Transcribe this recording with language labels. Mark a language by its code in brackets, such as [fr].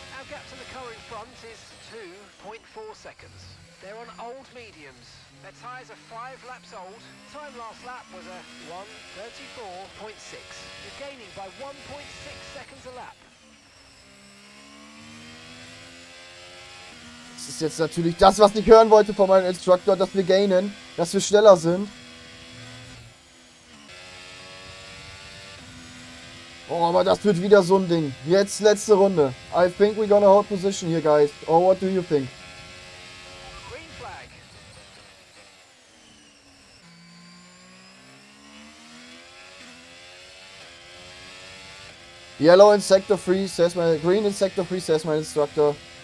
[en] Our gap to the car in front is 2.4 seconds. They're on old mediums. Their tires are 5 laps old. Time last lap was a 1:34.6. You're gaining by 1.6 seconds a lap. [de] Das ist jetzt natürlich das, was ich hören wollte von meinem Instructor, dass wir gainen, dass wir schneller sind. Oh, aber das wird wieder so ein Ding. Jetzt letzte Runde. [en] I think we're gonna hold position here, guys. Oh, what do you think? Green flag. Yellow in sector 3, says my... Green in sector 3, says my instructor.